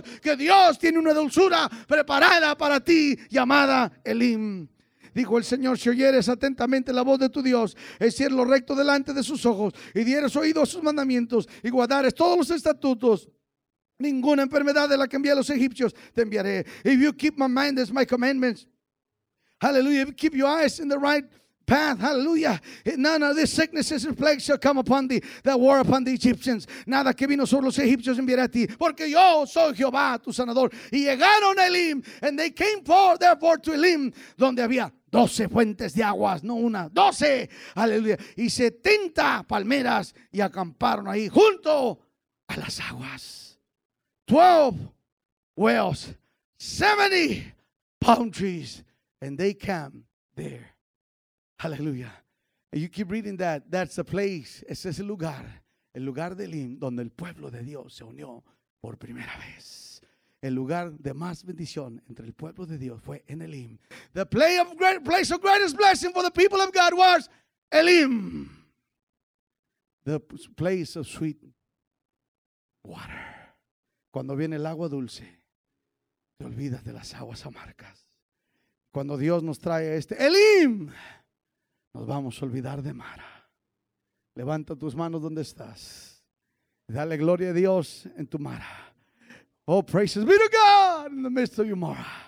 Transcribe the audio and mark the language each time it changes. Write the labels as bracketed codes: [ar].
[es] Que Dios tiene una dulzura preparada para ti, llamada Elim. Dijo el Señor: si oyeres atentamente la voz de tu Dios, hicieres lo recto delante de sus ojos, y dieres oído a sus mandamientos, y guardares todos los estatutos, ninguna enfermedad de la que envié a los egipcios te enviaré. [en] If you keep my mind, that's my commandments. Hallelujah. If you keep your eyes in the right path, hallelujah, none of these sicknesses and plagues shall come upon thee that were upon the Egyptians. [es] Nada que vino sobre los egipcios enviaré a ti, porque yo soy Jehová, tu sanador. Y llegaron a Elim, [en] and they came forth therefore to Elim, [es] donde había 12 fuentes de aguas, no una, 12, aleluya, y 70 palmeras, y acamparon ahí junto a las aguas. [en] 12 wells, 70 palm trees, and they camp there. Hallelujah. And you keep reading that. That's the place. [es] Ese es el lugar de Elim, donde el pueblo de Dios se unió por primera vez. El lugar de más bendición entre el pueblo de Dios fue en Elim. [en] The place of greatest blessing for the people of God was Elim. The place of sweet water. [es] Cuando viene el agua dulce, te olvidas de las aguas amargas. Cuando Dios nos trae este Elim, nos vamos a olvidar de Mara. Levanta tus manos donde estás. Dale gloria a Dios en tu mara. [en] Oh, praises be to God in the midst of your mara.